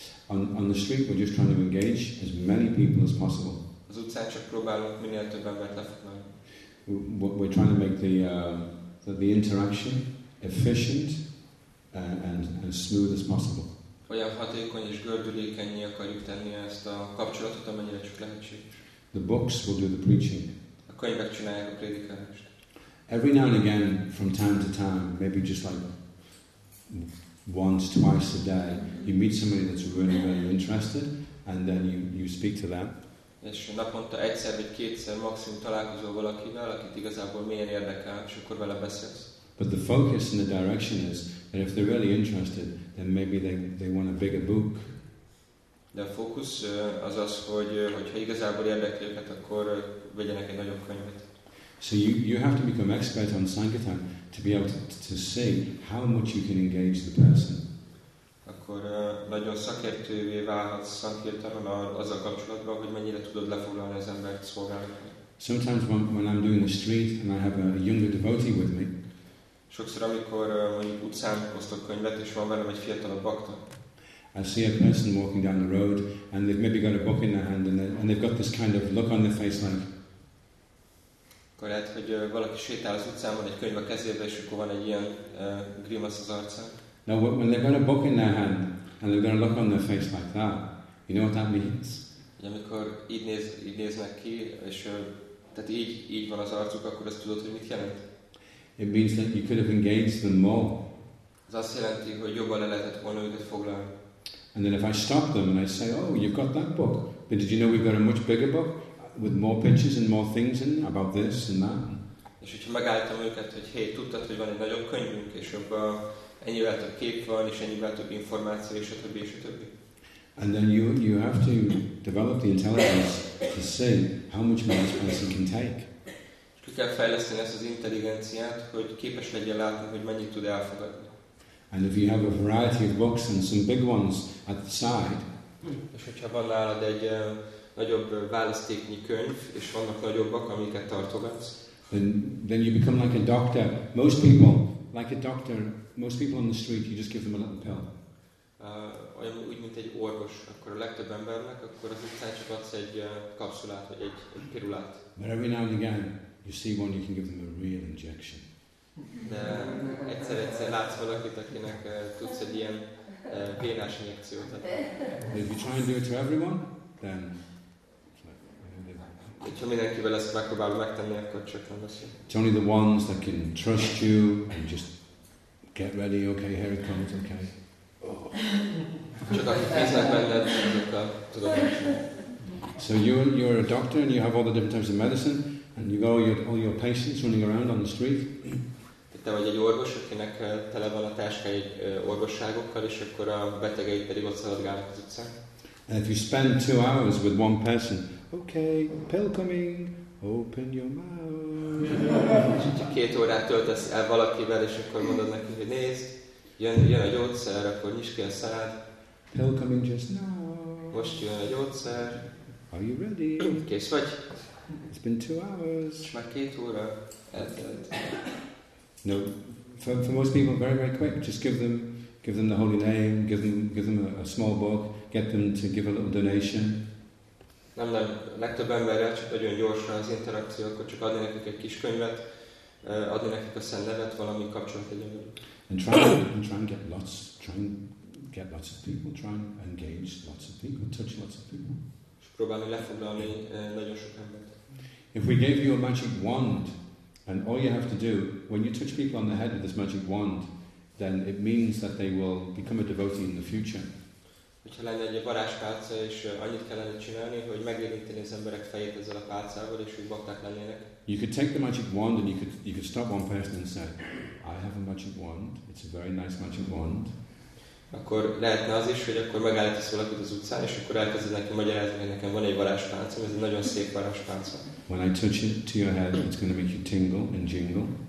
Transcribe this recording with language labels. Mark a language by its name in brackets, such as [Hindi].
[English] On the street, we're just trying to engage as many people as possible. We're trying to make the interaction efficient and smooth as possible. [Hungarian] Olyan hatékony és gördülékenyé akarjuk tenni ezt a kapcsolatot, amennyire csak lehetség. [English] The books will do the preaching. [Hungarian] A könyvek csinálják a prédikálást. [English] Every now and again, from time to time, maybe just like once, twice a day, you meet somebody that's really, really interested, and then you speak to them. [Hungarian] És naponta egyszer vagy kétszer maximum találkozol valakivel, akit igazából mélyen érdekel, és akkor vele beszélsz. [English] But the focus and the direction is that if they're really interested, then maybe they want a bigger book. [Hungarian] De a fókusz az, hogy ha igazából érdekli őket, akkor vegyenek egy nagyobb könyvet. [English] So you have to become expert on sankirtan to be able to see how much you can engage the person. [Hungarian] Akkor nagyon szakértővé válhatsz sankirtanon az a kapcsolatban, hogy mennyire tudod lefoglalni az embert szolgálni. [English] Sometimes when I'm doing the street and I have a younger devotee with me. [Hungarian] Sokszor, amikor mondjuk utcán osztok könyvet, és van velem egy fiatalabb bakta. [English] I see a person walking down the road, and they've maybe got a book in their hand, and they've got this kind of look on their face like... [Hungarian] Akkor lehet, hogy valaki sétál az utcán, van egy könyv a kezébe, és akkor van egy ilyen grimasz az arcán. [English] Now, when they've got a book in their hand, and they've got a look on their face like that, you know what that means? [Hungarian] Amikor így néznek ki, és tehát így van az arcuk, akkor ezt tudod, hogy mit jelent? [English] It means that you could have engaged them more. [Hungarian] Ez azt jelenti, hogy jobban le lehetett volna őket foglalni. [English] And then if I stop them and I say, oh, you've got that book. But did you know we've got a much bigger book with more pictures and more things in about this and that? [Hungarian] És hogyha megálltam őket, hogy hey, tudtad, hogy van egy nagyobb könyvünk, és abban ennyivel több kép van, és ennyivel több információ, és a többi, és a többi. [English] And then you have to develop the intelligence to see how much more this person can take. [Hungarian] Ki kell fejleszteni ezt az intelligenciát, hogy képes legyen látni, hogy mennyit tud elfogadni. [English] And if you have a variety of books and some big ones at the side. [Hungarian] És hogyha van nálad egy nagyobb választéknyi könyv, és vannak nagyobbak, amiket tartogatsz. [English] Then you become like a doctor. Most people, like a doctor, most people on the street, you just give them a little pill. [Hungarian] Olyan úgy, mint egy orvos, akkor a legtöbb embernek, akkor az utcán csak adsz egy kapszulát, vagy egy pirulát. [English] But every now and again, you see one, you can give them a real injection. [Hungarian] De egyszer látsz valakit, akinek tudsz egy ilyen vénás injekciót adni. [English] If you try and do it to everyone, then... [Hungarian] Hogyha mindenkivel ezt megpróbálom megtenni, akkor csak nem lesz. [English] It's only the ones that can trust you and just get ready, okay, here it comes, okay. [Hungarian] Csak akik hisznek benned, azokkal tudod megcsinálni. [English] So you're a doctor and you have all the different types of medicine and you got all your patients running around on the street. [Hungarian] Te vagy egy orvos, akinek tele van a táska egy orvosságokkal, és akkor a betegeid pedig ott szaladgálnak az utcán. [English] And if you spend 2 hours with one person, okay, pill coming, open your mouth. [Hungarian] És ha 2 órát töltesz el valakivel, és akkor mondod neki, hogy nézd, jön a gyógyszer, akkor nyisd ki a szád. [English] Pill coming just now. [Hungarian] Most jön a gyógyszer. [English] Are you ready? [Hungarian] Kész vagy? [English] It's been 2 hours. [Hungarian] És már 2 óra eltelt. [English] No, for most people, very, very quick. Just give them the holy name, give them a small book, get them to give a little donation. [Hungarian] Nem, legtöbb emberrel csak nagyon gyorsan az interakció, akkor csak adni nekik egy kis könyvet, adni nekik a szennevet, valami kapcsolat egyedül. [English] And try and get lots of people, try and engage lots of people, touch lots of people. [Hungarian] És próbálni lefoglalni nagyon sok embert. [English] If we gave you a magic wand, and all you have to do, when you touch people on the head with this magic wand, then it means that they will become a devotee in the future. [Hungarian] Hogyha lenne egy varázspálca, és annyit kellene csinálni, hogy megérinteni az emberek fejét ezzel a pálcával, és ők bakták lennének. [English] You could take the magic wand and you could stop one person and say, I have a magic wand, it's a very nice magic wand. [Hungarian] Akkor lehetne az is, hogy akkor megállítasz valakit az utcán, és akkor elkezded neki magyarázni, hogy nekem van egy varázspálcam, ez egy nagyon szép varázspálca. [English] When I touch it to your head, it's going to make you tingle and jingle.